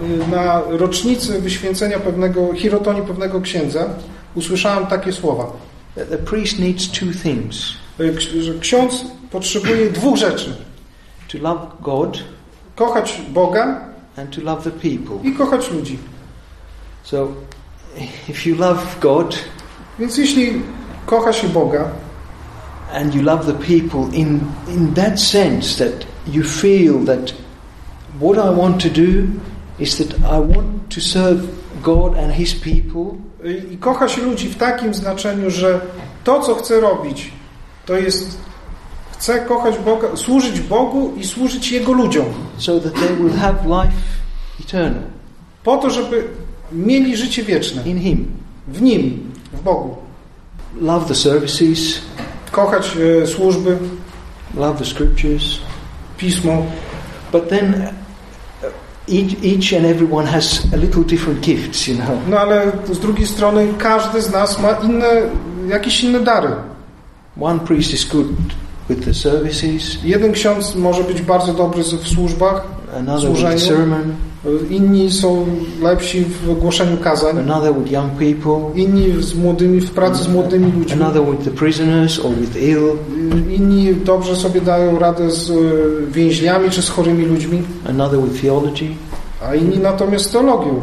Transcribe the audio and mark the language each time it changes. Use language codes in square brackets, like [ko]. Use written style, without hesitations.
[pl] Na rocznicy wyświęcenia pewnego hirotoni pewnego księdza usłyszałem takie słowa. [en] The priest needs two things. [pl] Ksiądz potrzebuje dwóch rzeczy. [en] To love God. [pl] Kochać Boga. [en] And to love the people. [pl] I kochać ludzi. [en] So, if you love God, [pl] więc jeśli kocha się Boga, [en] and you love the people in that sense that you feel that what I want to do is that I want to serve God and His people. [pl] I kocha się ludzi w takim znaczeniu, że to, co chcę robić, to jest chcę kochać Boga, służyć Bogu i służyć Jego ludziom. [en] So that they will have life eternal. [pl] Po to, żeby mieli życie wieczne. [en] In Him. [pl] W Nim, w Bogu. [en] Love the services. [pl] Kochać służby. [en] Love the scriptures. [pl] Pismo. [en] But then each and everyone has a little different gifts, you know. [pl] No ale z drugiej strony każdy z nas ma inne, jakieś inne dary. [en] One priest is good with the services. [pl] Jeden ksiądz może być bardzo dobry w służbach, [en] another [pl] służeniu. [en] With sermon. [pl] Inni są lepsi w głoszeniu kazań. [en] Another with young people. [pl] Inni w pracy z młodymi ludźmi. [en] Another with the prisoners or with ill. [pl] Inni dobrze sobie dają radę z więźniami czy z chorymi ludźmi. [en] Another with theology. [pl] A inni natomiast teologią.